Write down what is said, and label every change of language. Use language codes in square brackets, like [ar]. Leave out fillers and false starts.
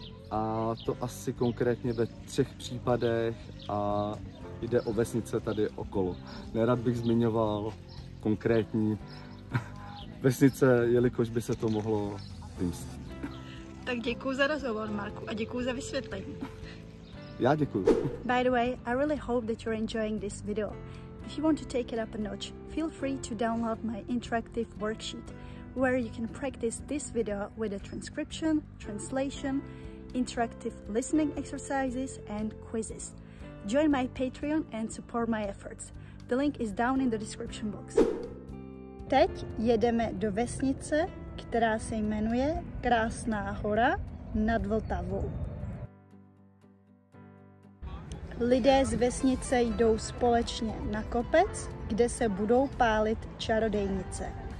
[cs] A to asi konkrétně ve 3 případech a jde o vesnice tady okolo. Nerad bych zmiňoval konkrétní vesnice, jelikož by se to mohlo vymstit. Tak děkuju za rozhovor, Marku, a děkuju za vysvětlení. Já děkuju. [en] By the way, I really hope that you're enjoying this video. If you want to take it up a notch, feel free to download my interactive worksheet, where you can practice this video with a transcription, translation, interactive listening exercises and quizzes. Join my Patreon and support my efforts. The link is down in the description box. [cs] Teď jedeme do vesnice, která se jmenuje Krásná hora nad Vltavou. Lidé z vesnice jdou společně na kopec, kde se budou pálit čarodějnice.